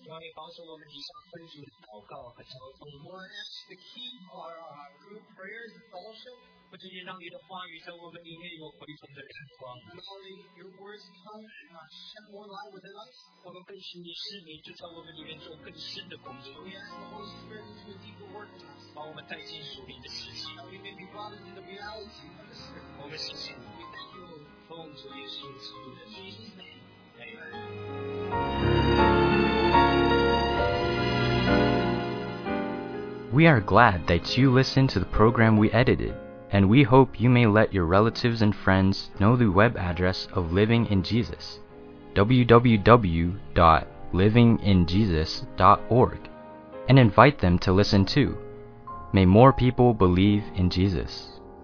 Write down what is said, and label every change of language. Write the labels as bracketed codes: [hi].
[zh] 主啊，你保守我们以上分组的祷告和交通。 [en] Lord, ask the key for our group prayers and fellowship. [zh] 不仅仅让你的话语在我们里面有回转的亮光。 [en] Not only your words come and shed more light within us. [zh] 我们更是你圣灵就在我们里面做更深的工作。 [en] We ask the Holy Spirit to do deeper work in us. [zh] 把我们带进属灵的世界。 [en] That we may be brought into the reality of the Spirit. [zh] 我们谢谢你。奉主耶稣基督的名，阿门。 [en] We are glad that you listened to the program we edited, and we hope you may let your relatives and friends know the web address of Living in Jesus, www.livinginjesus.org, and invite them to listen too. May more people believe in Jesus.